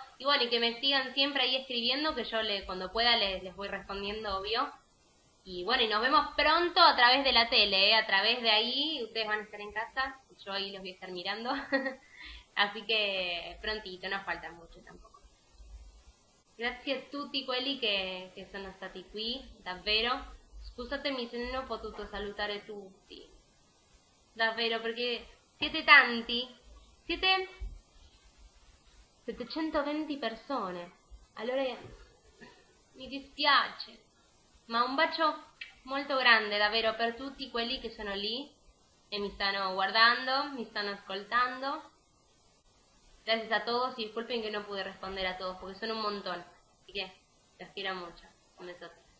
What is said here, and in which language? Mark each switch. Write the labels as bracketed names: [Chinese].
[Spanish] Y bueno, y que me sigan siempre ahí escribiendo, que yo cuando pueda les voy respondiendo, obvio. Y bueno, y nos vemos pronto a través de la tele, ¿eh? A través de ahí, ustedes van a estar en casa, y yo ahí los voy a estar mirando. Así que prontito, no falta mucho tampoco. [Italian] Gracias tutti quelli che sono stati qui, davvero. Scusatemi se non ho potuto salutare tutti. Davvero, perché siete tanti. Siete 720 persone. Allora, mi dispiace. Ma un bacio molto grande, davvero, per tutti quelli che sono lì e mi stanno guardando, mi stanno ascoltando. [Spanish] Gracias a todos y disculpen que no pude responder a todos porque son un montón. Así que los quiero mucho. Un besote.